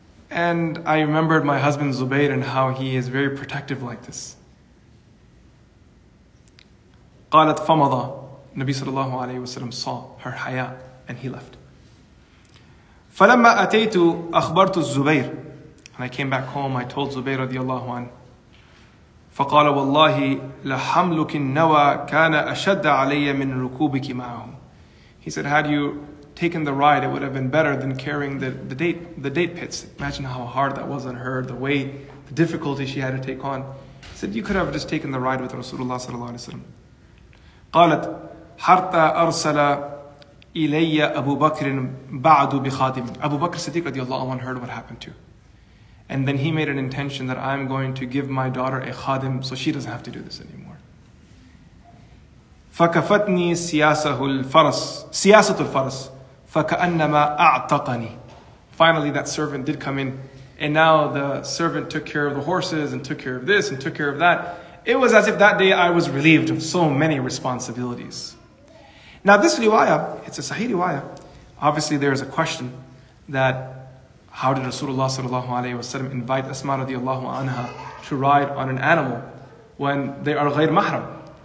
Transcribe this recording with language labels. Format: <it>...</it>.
<en>And I remembered my husband Zubayr and how he is very protective like this.</en> <ar>قالت فمضى.</ar> <en>Nabi sallallahu alayhi wa sallam saw her haya and he left.</en> <ar>فلما أتيت أخبرت الزبير.</ar> <en>And I came back home, I told Zubair radiallahu an.</en> <ar>فقال والله لحملك النوى كان أشد علي من ركوبك معهم.</ar> <en>He said, had you taken the ride, it would have been better than carrying the date pits. Imagine how hard that was on her, the weight, the difficulty she had to take on. He said, you could have just taken the ride with Rasulullah sallallahu alayhi wa sallam.</en> <ar>قالت حتى أرسل إلي أبو بكر بعد بخادم.</ar> <en>Abu Bakr Siddiq radiallahu anhu heard what happened to. And then he made an intention that I'm going to give my daughter a khadim so she doesn't have to do this anymore.</en> <ar>فكفتني سياسة الفرس فكأنما أعتقني.</ar> <en>Finally, that servant did come in. And now the servant took care of the horses and took care of this and took care of that. It was as if that day I was relieved of so many responsibilities. Now this riwayah, it's a sahih riwayah. Obviously there is a question that how did Rasulullah sallallahu alayhi wa sallam invite Asma radiallahu anha to ride on an animal when they are ghayr mahram?</en>